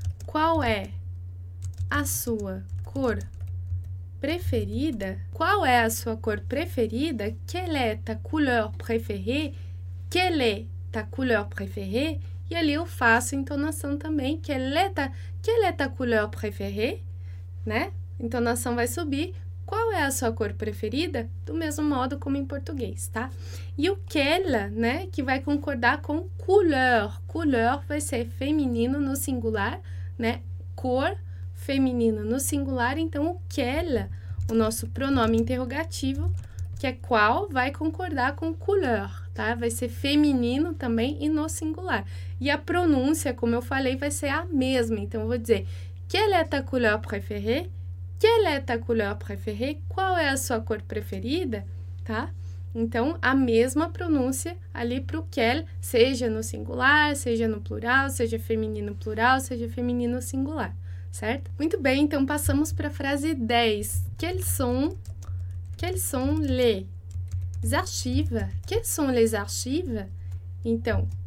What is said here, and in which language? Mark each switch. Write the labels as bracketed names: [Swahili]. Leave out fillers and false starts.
[Portuguese] Qual é a sua cor preferida? Qual é a sua cor preferida? [French] Quelle est ta couleur préférée? Quelle est ta couleur préférée? [Portuguese] E ali eu faço a entonação também. [French] Quelle est ta couleur préférée? [Portuguese] Né? Entonação vai subir. Qual é a sua cor preferida? Do mesmo modo como em português, tá? E o quelle, né? Que vai concordar com couleur. Couleur vai ser feminino no singular, né? Cor, feminino no singular. Então, o quelle, o nosso pronome interrogativo, que é qual, vai concordar com couleur. Tá? Vai ser feminino também e no singular. E a pronúncia, como eu falei, vai ser a mesma. Então, eu vou dizer: [French] Quelle est ta couleur préférée? Quelle est ta couleur préférée? [Portuguese] Qual é a sua cor preferida? Tá? Então, a mesma pronúncia ali para o quel, seja no singular, seja no plural, seja feminino plural, seja feminino singular. Certo? Muito bem, então passamos para a frase 10. [French] Quels sont les archives? Quelles sont les archives? Então,